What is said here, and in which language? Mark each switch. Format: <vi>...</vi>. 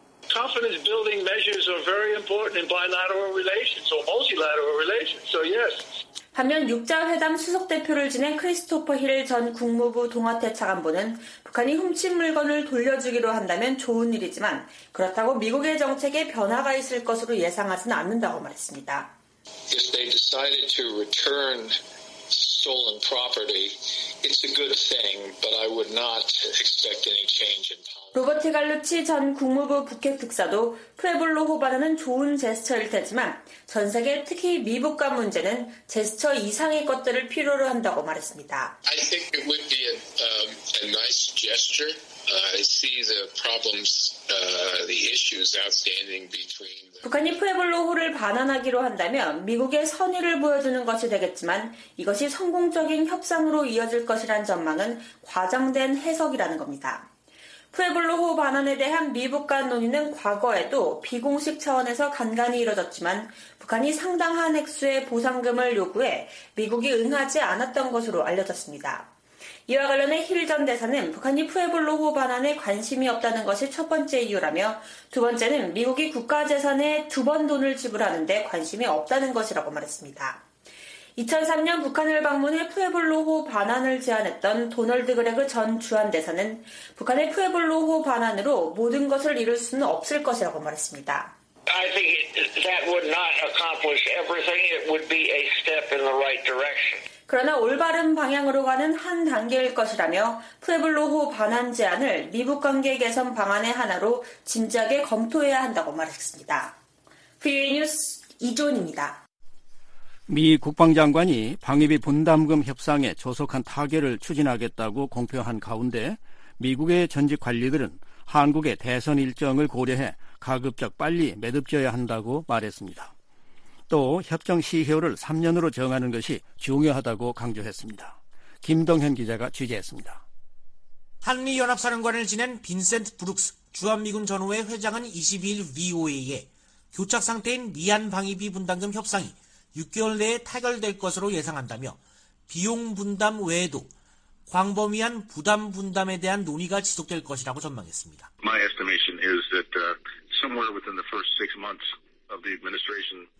<en>Confidence building measures are very important in bilateral relations or multilateral relations. So yes.</en> <ko>한편 6자 회담 수석 대표를 지낸 크리스토퍼 힐 전 국무부 동아태 차관보는 북한이 훔친 물건을 돌려주기로 한다면 좋은 일이지만 그렇다고 미국의 정책에 변화가 있을 것으로 예상하지는 않는다고 말했습니다.</ko> <en>If they decided to return stolen property, it's a good thing, but I would not expect any change in.</en> <ko>로버트 갈루치 전 국무부 북핵 특사도 푸에블로호 반환은 좋은 제스처일 테지만 전 세계 특히 미북과 문제는 제스처 이상의 것들을 필요로 한다고 말했습니다.</ko> <en>I think it would be a nice gesture,</en> <ko>북한이 푀블로호를 반환하기로 한다면 미국의 선의를 보여주는 것이 되겠지만 이것이 성공적인 협상으로 이어질 것이란 전망은 과장된 해석이라는 겁니다. 푀블로호 반환에 대한 미북 간 논의는 과거에도 비공식 차원에서 간간히 이뤄졌지만 북한이 상당한 액수의 보상금을 요구해 미국이 응하지 않았던 것으로 알려졌습니다. 이와 관련해 힐 전 대사는 북한이 푀블로호 반환에 관심이 없다는 것이 첫 번째 이유라며 두 번째는 미국이 국가 재산에 두 번 돈을 지불하는데 관심이 없다는 것이라고 말했습니다. 2003년 북한을 방문해 푀블로호 반환을 제안했던 도널드 그레그 전 주한대사는 북한의 푀블로호 반환으로 모든 것을 이룰 수는 없을 것이라고 말했습니다.</ko> <en>I think that would not accomplish everything. It would be a step in the right direction.</en> <ko>그러나 올바른 방향으로 가는 한 단계일 것이라며 푀블로호 반환 제안을 미북 관계 개선 방안의 하나로 진지하게 검토해야 한다고 말했습니다. VOA 뉴스 이조은입니다. 미 국방장관이 방위비 분담금 협상에 조속한 타결을 추진하겠다고 공표한 가운데 미국의 전직 관리들은 한국의 대선 일정을 고려해 가급적 빨리 매듭지어야 한다고 말했습니다. 또 협정 시효를 3년으로 정하는 것이 중요하다고 강조했습니다. 김동현 기자가 취재했습니다. 한미연합사령관을 지낸 빈센트 브룩스 주한미군 전후회 회장은 22일 VOA에 교착상태인 미한 방위비 분담금 협상이 6개월 내에 타결될 것으로 예상한다며 비용 분담 외에도 광범위한 부담 분담에 대한 논의가 지속될 것이라고 전망했습니다.</ko> <en>My estimation is that somewhere within the first six months of the administration.</en>